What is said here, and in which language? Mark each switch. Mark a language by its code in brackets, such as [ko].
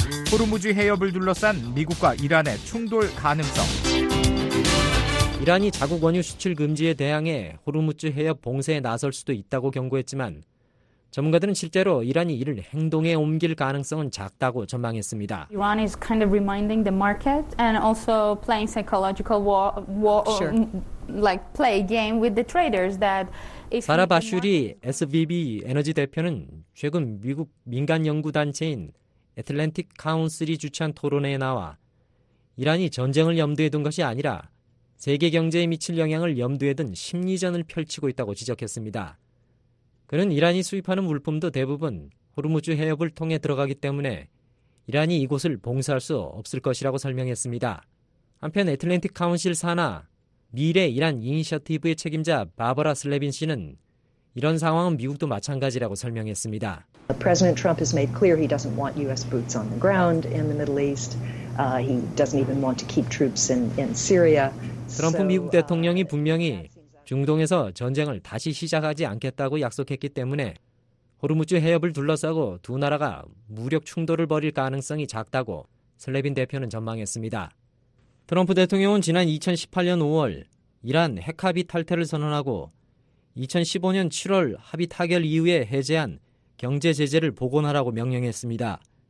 [ko] 호르무즈 해협을 둘러싼 미국과 이란의 충돌 가능성. 이란이 자국 원유 수출 금지에 대항해 호르무즈 해협 봉쇄에 나설 수도 있다고 경고했지만 전문가들은 실제로 이란이 이를 행동에 옮길 가능성은 작다고 전망했습니다. [en] Iran is kind of reminding the market and also playing psychological war sure. like play game with the traders that [ko] if 사라 바슈리 SVB 에너지 대표는 최근 미국 민간 연구 단체인 애틀랜틱 카운슬이 주최한 토론회에 나와 이란이 전쟁을 염두에 둔 것이 아니라 세계 경제에 미칠 영향을 염두에 둔 심리전을 펼치고 있다고 지적했습니다. 그는 이란이 수입하는 물품도 대부분 호르무즈 해협을 통해 들어가기 때문에 이란이 이곳을 봉쇄할 수 없을 것이라고 설명했습니다. 한편 애틀랜틱 카운실 산하 미래 이란 이니셔티브의 책임자 바버라 슬레빈 씨는 이런 상황은 미국도 마찬가지라고 설명했습니다. [en] President Trump has made clear he doesn't want U.S. boots on the ground in the Middle East. He doesn't even want to keep troops in Syria. [ko] 트럼프 미국 대통령이 분명히 중동에서 전쟁을 다시 시작하지 않겠다고 약속했기 때문에 호르무즈 해협을 둘러싸고 두 나라가 무력 충돌을 벌일 가능성이 작다고 슬레빈 대표는 전망했습니다. 트럼프 대통령은 지난 2018년 5월 이란 핵합의 탈퇴를 선언하고 2015년 7월 합의 타결 이후에 해제한 경제 제재를 복원하라고 명령했습니다.